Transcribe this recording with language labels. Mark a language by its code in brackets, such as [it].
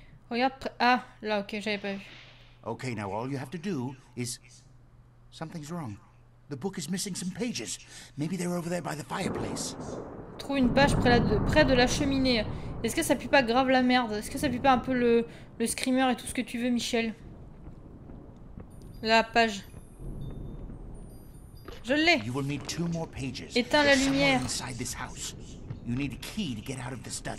[fr] Regarde, ah, là, ok, j'avais pas vu. [en] Ok, now all you have to do is... Something's wrong. The book is missing some pages. Maybe they're over there by the fireplace. [fr] Trouve une page près de la cheminée. Est-ce que ça pue pas grave la merde? Est-ce que ça pue pas un peu le screamer et tout ce que tu veux, Michel? La page. Je l'ai. [en] You will need two more pages. [fr] Éteins la lumière. [en] Inside this house. You need a key to get out of the study.